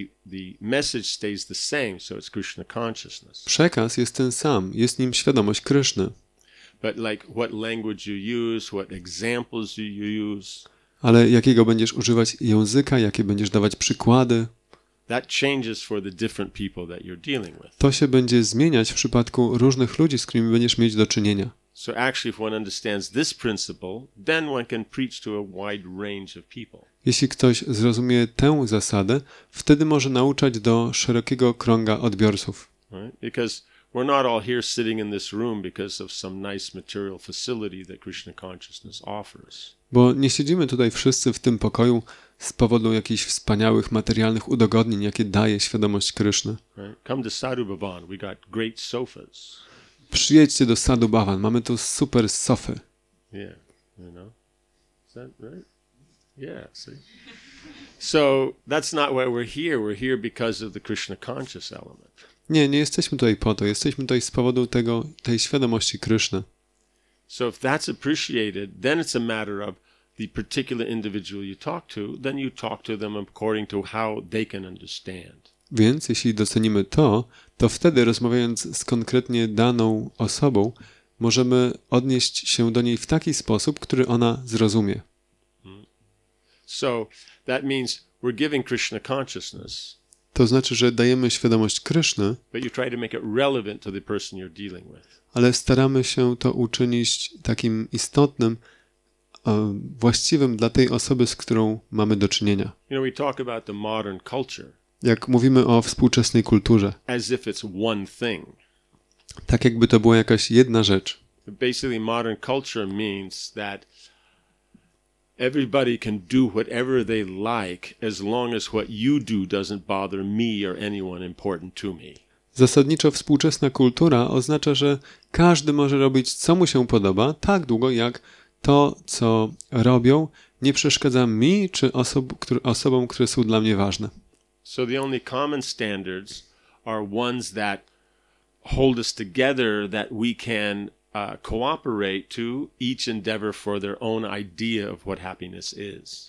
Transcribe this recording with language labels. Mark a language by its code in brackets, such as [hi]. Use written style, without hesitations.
[en] The message stays the same, so it's Krishna consciousness. [pl] Przekaz jest ten sam, jest nim świadomość Kryszny. [en] But like what language you use, what examples you use. [pl] Ale jakiego będziesz używać języka, jakie będziesz dawać przykłady? [en] That changes for the different people that you're dealing with. [pl] To się będzie zmieniać w przypadku różnych ludzi, z którymi będziesz mieć do czynienia. [en] So actually, if one understands this principle, then one can preach to a wide range of people. [pl] Jeśli ktoś zrozumie tę zasadę, wtedy może nauczać do szerokiego krąga odbiorców. [en] Right? Because we're not all here sitting in this room because of some nice material facility that Krishna consciousness offers. [pl] Bo nie siedzimy tutaj wszyscy w tym pokoju z powodu jakichś wspaniałych materialnych udogodnień, jakie daje świadomość Kryszny. [en] Come to Sadhu Bhavan. We got great sofas. [pl] Przyjedźcie do Sadhu Bhavan. Mamy tu super sofy. [en] Yeah, Is that right? Yeah, see. So that's not why we're here. We're here because of the Krishna conscious element. [pl] Nie, nie jesteśmy tutaj po to. Jesteśmy tutaj z powodu tej świadomości Kryszny. [en] So if that's appreciated, then it's a matter of the particular individual you talk to, then you talk to them according to how they can understand. [pl] Więc jeśli docenimy to, to wtedy rozmawiając z konkretnie daną osobą, możemy odnieść się do niej w taki sposób, który ona zrozumie. [en] So that means we're giving Krishna consciousness. [pl] To znaczy, że dajemy świadomość Kryszny, [en] but you try to make it relevant to the person you're dealing with. [pl] Ale staramy się to uczynić takim istotnym, właściwym dla tej osoby, z którą mamy do czynienia. [en] You know, we talk about the modern culture. [pl] Jak mówimy o współczesnej kulturze. [en] As if it's one thing. [pl] Tak jakby to była jakaś jedna rzecz. [en] Basically, modern culture means that everybody can do whatever they like as long as what you do doesn't bother me or anyone important to me. [pl] Zasadniczo współczesna kultura oznacza, że każdy może robić, co mu się podoba, tak długo jak to, co robią, nie przeszkadza mi czy osobom, które są dla mnie ważne. [en] So the only common standards are ones that hold us together, that we can cooperate to each endeavor for their own idea of what happiness is.